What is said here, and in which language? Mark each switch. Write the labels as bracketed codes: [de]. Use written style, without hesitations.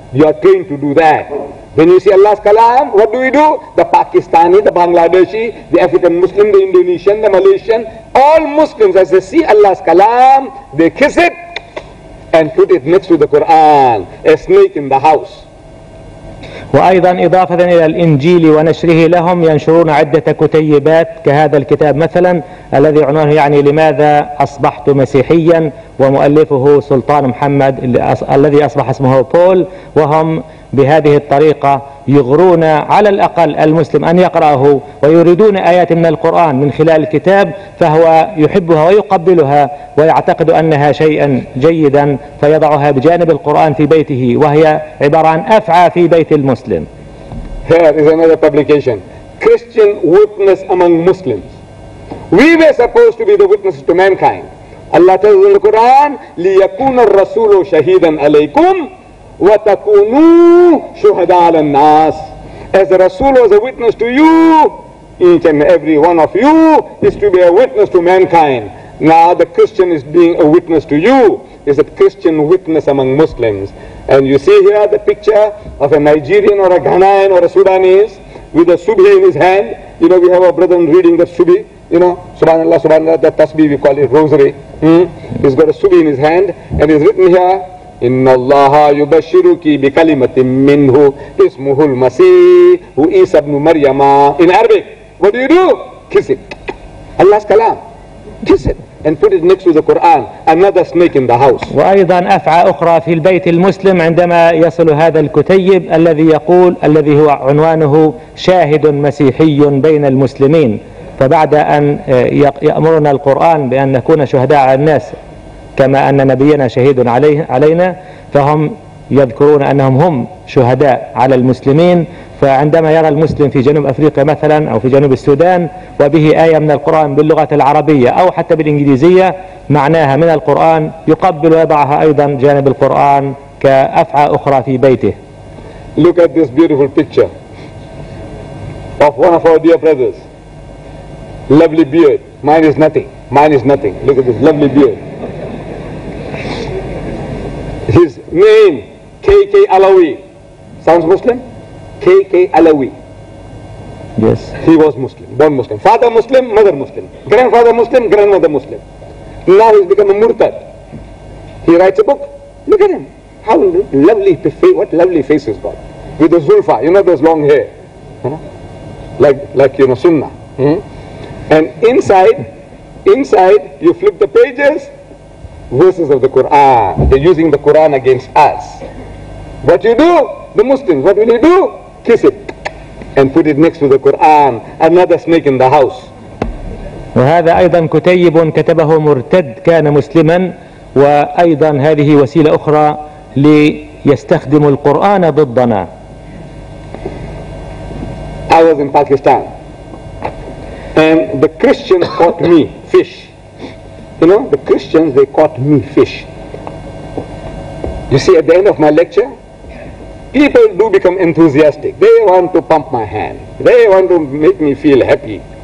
[en] You are trained to do that. When you see Allah's Kalam, what do? The Pakistani, the Bangladeshi, the African Muslim, the Indonesian, the Malaysian, all Muslims, as they see Allah's Kalam, they kiss it and put it next to the Quran, a snake in the house. [ar] وأيضا إضافة إلى الإنجيل ونشره لهم ينشرون عدة كتيبات كهذا الكتاب مثلا الذي عنوانه يعني لماذا أصبحت مسيحيا ومؤلفه سلطان محمد الذي أصبح اسمه بول وهم بهذه الطريقة يغرون على الأقل المسلم أن يقرأه ويريدون آيات من القرآن من خلال الكتاب فهو يحبها ويقبلها ويعتقد أنها شيئا جيدا فيضعها بجانب القرآن في بيته وهي عبارة عن أفعى في بيت المسلم. [en] Here is another publication. Christian witness among Muslims. We were supposed to be the witnesses to mankind. Allah tells in the Quran, [ar] ليكون الرسول شهيدا عليكم وتكونوا شهداء على الناس. [en] As the Rasul was a witness to you, each and every one of you is to be a witness to mankind. Now the Christian is being a witness to you. Is a Christian witness among Muslims. And you see here the picture of a Nigerian or a Ghanaian or a Sudanese with a subhi in his hand. You know, we have our brethren reading the subhi. You know, Subhanallah, Subhanallah, the tasbih, we call it rosary. He's got a subhi in his hand and he's written here, [ar] إن الله يبشرك بكلمة منه اسمه المسيح هو عيسى بن مريم. [en] In Arabic, what do you do? Kiss it. Allah's kalam. Kiss it and put it next to the Quran. Another snake in the house. [ar] وأيضا أفعى أخرى في البيت المسلم عندما يصل هذا الكتيب الذي يقول الذي هو عنوانه شاهد مسيحي بين المسلمين. فبعد أن يأمرنا القرآن بأن نكون شهداء على الناس. كما أن نبينا شهيد علينا فهم يذكرون أنهم هم شهداء على المسلمين فعندما يرى المسلم في جنوب أفريقيا مثلا أو في جنوب السودان وبه آية من القرآن باللغة العربية أو حتى بالإنجليزية معناها من القرآن يقبل ويضعها أيضا جانب القرآن كأفعى أخرى في بيته. [en] Look at this beautiful picture of one of our dear brothers. Lovely beard. Mine is nothing. Look at this lovely beard. His name, K.K. Alawi. Sounds Muslim? K.K. Alawi. Yes. He was Muslim, born Muslim. Father Muslim, mother Muslim. Grandfather Muslim, grandmother Muslim. Now he's become a murtad. He writes a book. Look at him. How lovely, what lovely face he's got. With the zulfa, you know those long hair. Like you know, sunnah. And inside, you flip the pages, verses of the Quran. They're using the Quran against us. What you do, the Muslims, what will you do? Kiss it and put it next to the Quran. Another snake in the house. [ar] وهذا أيضا كتيب كتبه مرتد كان مسلما وأيضا هذه وسيلة أخرى ليستخدم القرآن ضدنا. [en] I was in Pakistan and the Christians caught me fish. You know, the Christians, they caught me fish. You see, at the end of my lecture, people do become enthusiastic. They want to pump my hand. They want to make me feel happy.